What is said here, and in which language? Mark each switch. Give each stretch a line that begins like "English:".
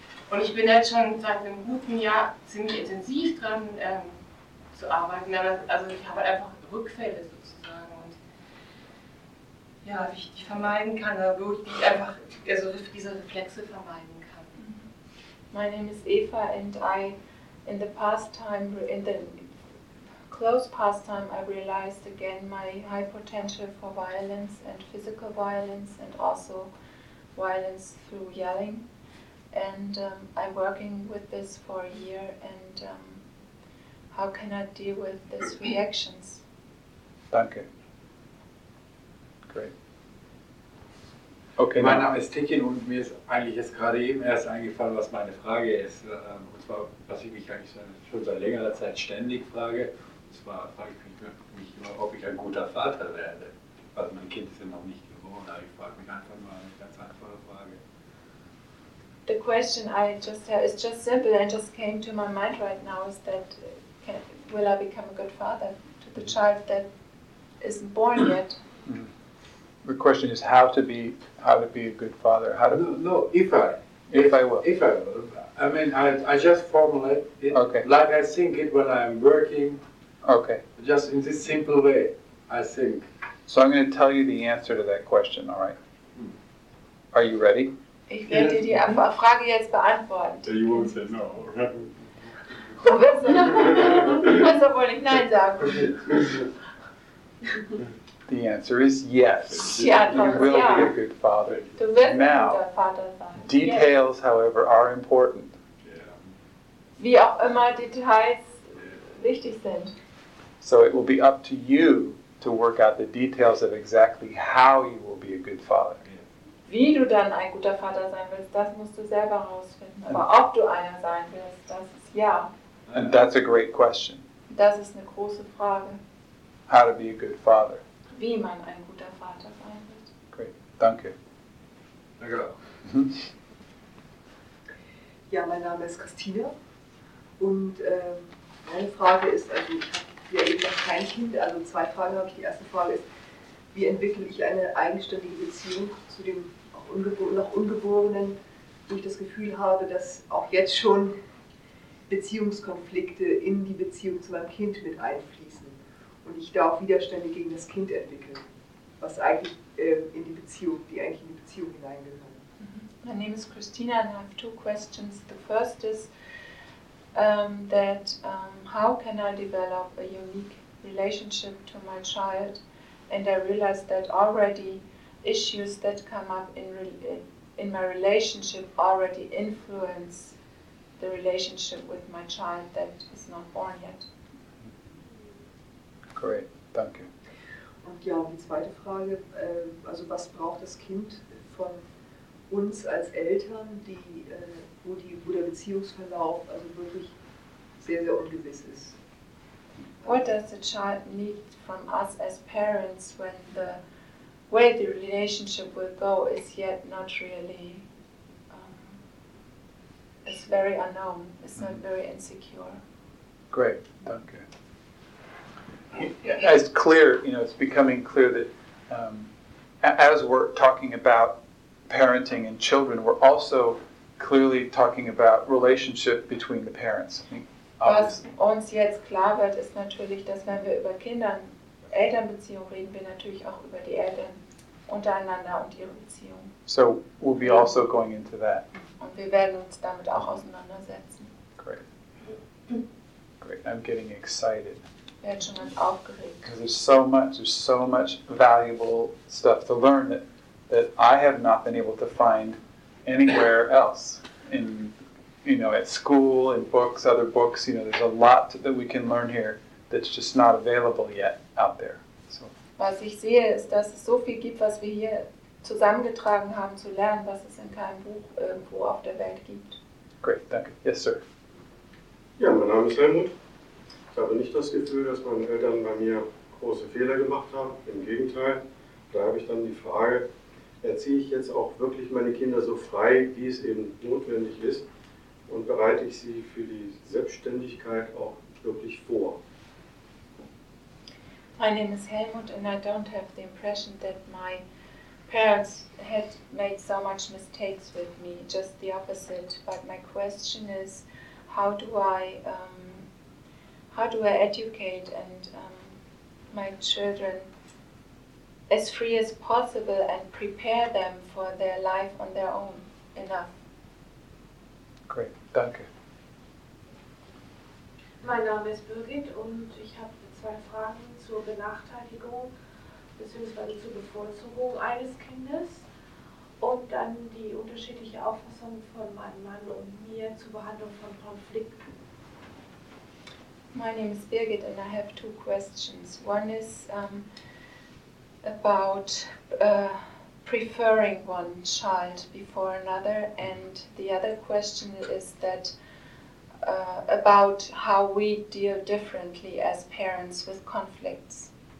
German: Und ich bin jetzt schon seit einem guten Jahr ziemlich intensiv dran zu arbeiten. Also ich habe einfach Rückfälle sozusagen. Ja, wie ich die vermeiden kann, wo ich mich einfach also diese Reflexe vermeiden kann.
English: My name is Eva and I, in the past time, in the close past time, I realized again my high potential for violence and physical violence and also violence through yelling. And I'm working with this for a year and how can I deal with these reactions? Danke. Great.
German: Okay, mein Name ist Tekin und mir ist eigentlich jetzt gerade eben erst eingefallen, was meine Frage ist. Und zwar, was ich mich eigentlich schon seit längerer Zeit ständig frage. Und zwar frage ich mich immer, ob ich ein guter Vater werde. Also mein Kind ist ja noch nicht geboren, aber ich frage mich einfach nur eine ganz einfache Frage.
English: The question I just have is just simple and just came to my mind right now is that will I become a good father to the child that isn't born yet? The question is how to be a good father. How to If I will. I mean, I just formulate it okay. Like I think it when I'm working. Okay. Just in this simple way, I think. So I'm going to tell you the answer to that question. All right. Are you ready?
German: Ich werde dir die Frage jetzt beantworten.
English: You won't say no.
German: Professor wollte ich nein sagen.
English: The answer is yes. Yeah, you will yeah. be a good father.
German: Du wirst now, ein guter Vater sein.
English: Details, yes. however, are important. Yeah.
German: Wie auch immer Details yeah. wichtig sind.
English: So it will be up to you to work out the details of exactly how you will be a good father. Yeah.
German: Wie du dann ein guter Vater sein willst, das musst du selber herausfinden. Aber ob du einer sein willst, das ist ja.
English: And that's a great question.
German: Das ist eine große Frage.
English: How to be a good father.
German: Wie man ein guter Vater sein wird.
English: Great, danke.
German: Danke. Ja, mein Name ist Christina und meine Frage ist, also ich habe ja eben noch kein Kind, also zwei Fragen habe ich. Die erste Frage ist, wie entwickle ich eine eigenständige Beziehung zu dem noch Ungeborenen, wo ich das Gefühl habe, dass auch jetzt schon Beziehungskonflikte in die Beziehung zu meinem Kind mit einfließen. Und ich da auch Widerstände gegen das Kind entwickeln, was eigentlich in die Beziehung, die eigentlich in die Beziehung hineingehören.
English: My name is Christina and I have two questions. The first is that how can I develop a unique relationship to my child, and I realized that already issues that come up in my relationship already influence the relationship with my child that is not born yet. Great, thank you.
German: Und ja, die zweite Frage, also was braucht das Kind von uns als Eltern, die, wo, die, wo der Beziehungsverlauf also wirklich sehr, sehr ungewiss ist?
English: What does the child need from us as parents when the way the relationship will go is yet not really, is very unknown, it's not very insecure. Great, danke. Yeah, it's clear, you know, it's becoming clear that as we're talking about parenting and children, we're also clearly talking about relationship between the parents.
German: Was uns jetzt klar wird, ist natürlich, dass wenn wir über Kinder, Elternbeziehung reden, wir natürlich auch über die Eltern untereinander und ihre Beziehung.
English: So we'll be also going into that.
German: Und wir werden uns damit auch auseinandersetzen.
English: Great. Great. I'm getting excited. Because there's so much valuable stuff to learn that, that I have not been able to find anywhere else in, you know, at school, in books, other books, you know, there's a lot that we can learn here that's just not available yet out there. So.
German: Was ich sehe, ist, dass es so viel gibt, was wir hier zusammengetragen haben zu lernen, was es in keinem Buch irgendwo auf der Welt gibt.
English: Great, danke. Yes, sir.
German: Ja, mein Name ist Helmut. Ich habe nicht das Gefühl, dass meine Eltern bei mir große Fehler gemacht haben. Im Gegenteil, da habe ich dann die Frage, erziehe ich jetzt auch wirklich meine Kinder so frei, wie es eben notwendig ist, und bereite ich sie für die Selbstständigkeit auch wirklich vor?
English: My name is Helmut and I don't have the impression that my parents had made so much mistakes with me, just the opposite. But my question is, how do I educate and my children as free as possible and prepare them for their life on their own enough? Great, danke.
German: Mein Name ist Birgit und ich habe zwei Fragen zur Benachteiligung bzw. zur Bevorzugung eines Kindes und dann die unterschiedliche Auffassung von meinem Mann und mir zur Behandlung von Konflikten.
English: My name is Birgit and I have two questions. One is about preferring one child before another, and the other question is that about how we deal differently as parents with conflicts.